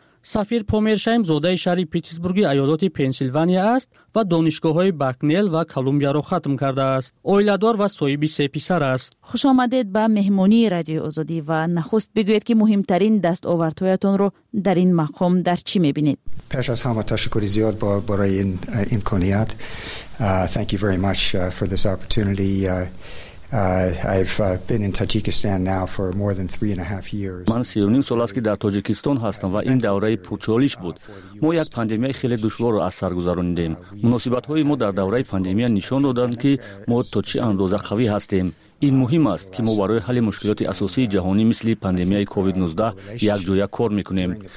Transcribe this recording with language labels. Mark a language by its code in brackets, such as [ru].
[fa] سفیر پومرشایم زاده شهر پیتسبورگ ایالت پنسیلوانیا است و دانشگاه های بکنل و کلمبیا را ختم کرده است. اویلادار و صاحب 3 پسر است. خوش آمدید به مهمانی رادیو آزادی و نخست بگویید که مهمترین دستاوردهایتان را در این مقام در چی میبینید؟ پیش از همه تشکر زیاد برای این امکانیت. [en] Thank you very much for this opportunity. I've been in Tajikistan now for more than 3.5 years. [fa] من 3.5 سال است که در تاجیکستان هستم و این دوره پرچالش بود. ما یک پاندمی خیلی دشوار را از سر گذراندیم. مناسبت های ما در دوره پاندمی نشان دادند که ما تا چه اندازه قوی هستیم. این مهم است که ما برای حل مشکلات اساسی جهانی مثل پاندمی کووید 19 یک جویا کار میکنیم.